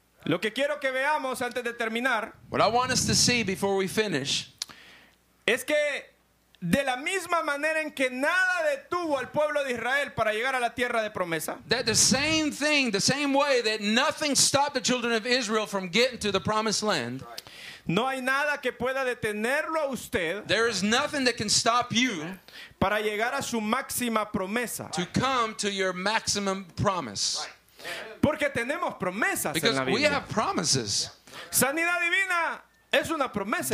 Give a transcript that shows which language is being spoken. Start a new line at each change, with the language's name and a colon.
Spanish: Lo que quiero que veamos antes de terminar.
English: What I want us to see before we finish.
Spanish: Es que de la misma manera en que nada detuvo al pueblo de Israel para llegar a la tierra de promesa.
English: That the same thing, the same way that nothing stopped the children of Israel from getting to the promised land.
Spanish: No hay nada que pueda detenerlo a usted.
English: There is nothing that can stop you.
Spanish: Para llegar a su máxima promesa.
English: To come to your maximum promise.
Spanish: Porque tenemos promesas
English: Because
Spanish: en la Biblia.
English: Because we have promises.
Spanish: Sanidad divina es una promesa